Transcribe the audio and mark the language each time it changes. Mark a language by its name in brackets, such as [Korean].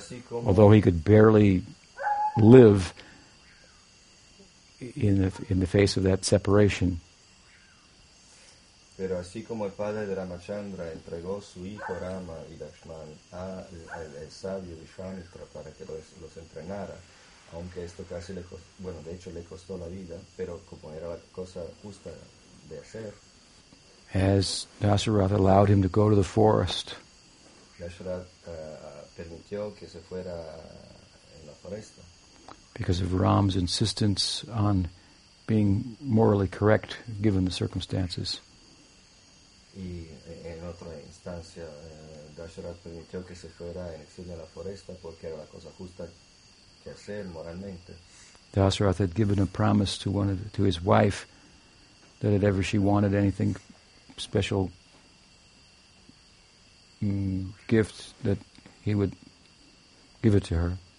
[English] Although he could barely live in the face of that separation. [Spanish] Pero así como el padre de Ramachandra entregó su hijo Rama y Lakshman al sabio Vishvamitra para que los entrenara, aunque esto casi le costó, bueno, de hecho le costó la vida, pero como era la cosa justa de hacer. [English] As Dasaratha allowed him to go to the forest. [Spanish] Dasaratha permitió que se fuera en la foresta. [English] Because of Ram's insistence on being morally correct given the circumstances. [Spanish] Y en otra instancia, Dasharath permitió que se fuera en exilio a la foresta porque era la cosa justa que hacer moralmente. [English] Dasharath had given a promise to his wife that if ever she wanted anything special gift, that he would give it to her.